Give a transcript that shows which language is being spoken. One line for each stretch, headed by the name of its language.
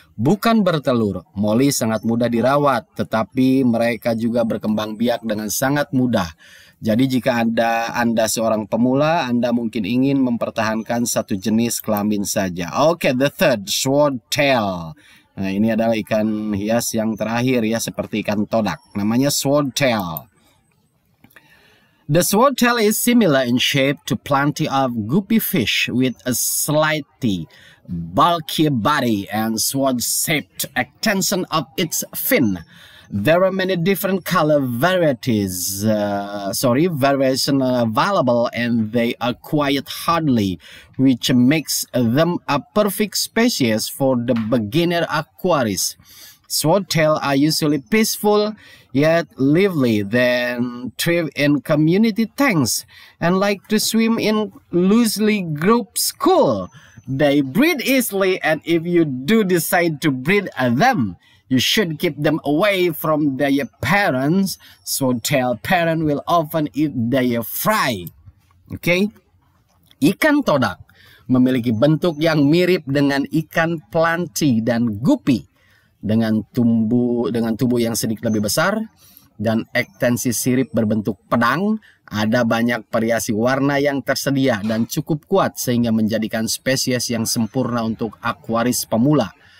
Indonesian: Bukan bertelur, molly sangat mudah dirawat, tetapi mereka juga berkembang biak dengan sangat mudah. Jadi jika Anda seorang pemula, Anda mungkin ingin mempertahankan satu jenis kelamin saja. Oke,
English: the third,
Indonesian: swordtail. Nah, ini adalah ikan hias yang terakhir ya, seperti ikan todak. Namanya swordtail.
English: The swordtail is similar in shape to plenty of guppy fish with a slightly bulky body and sword-shaped extension of its fin. There are many different color varieties, variations available and they are quite hardy, which makes them a perfect species for the beginner aquarist. Swordtail are usually peaceful yet lively, then thrive in community tanks and like to swim in loosely grouped school. They breed easily and if you do decide to breed them, you should keep them away from their parents. Swordtail parent will often eat their fry. Okay?
Indonesian: Ikan todak memiliki bentuk yang mirip dengan ikan planty dan guppy. dengan tubuh yang sedikit lebih besar dan ekstensi sirip berbentuk pedang. Ada banyak variasi warna yang tersedia dan cukup kuat sehingga menjadikan spesies yang sempurna untuk akuaris pemula.